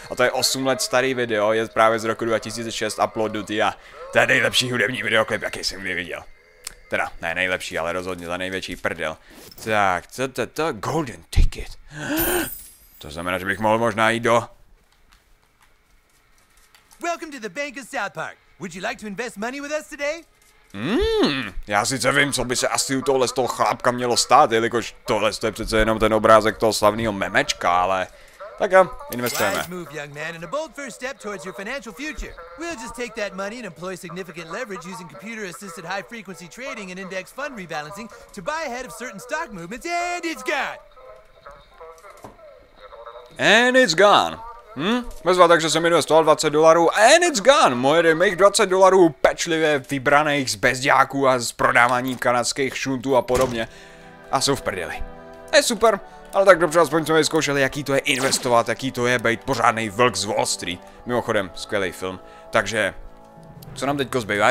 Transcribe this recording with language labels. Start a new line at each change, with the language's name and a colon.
Czech: A to je 8 let starý video, je právě z roku 2006 uploadnutý a to je nejlepší hudební videoklip, jaký jsem kdy viděl. Teda, ne nejlepší, ale rozhodně za největší prdel. Tak, to Golden Ticket. To znamená, že bych mohl možná jít do...
English: Welcome to the Bank of South Park. Would you like to invest money with us today?
Czech: Já sice vím, co by se asi u tohle z toho chlapka mělo stát, jelikož tohle to je přece jenom ten obrázek toho slavného memečka, ale... Tak jo, investujeme.
English: Wise move, young man, and a bold first step towards your financial future. We'll just take that money and employ significant leverage using computer-assisted high-frequency trading and index fund rebalancing to buy ahead of certain stock movements, and it's gone! And it's gone.
Czech: Bezva, takže jsem investoval $20
English: and it's gone,
Czech: moje mých $20 pečlivě vybraných z bezďáků a z prodávání kanadských šuntů a podobně a jsou v prdeli. Je super, ale tak dobře, aspoň jsme vyzkoušeli, jaký to je investovat, jaký to je být pořádný vlk z Wall Street. Mimochodem, skvělý film, takže Co nám teďko zbývá?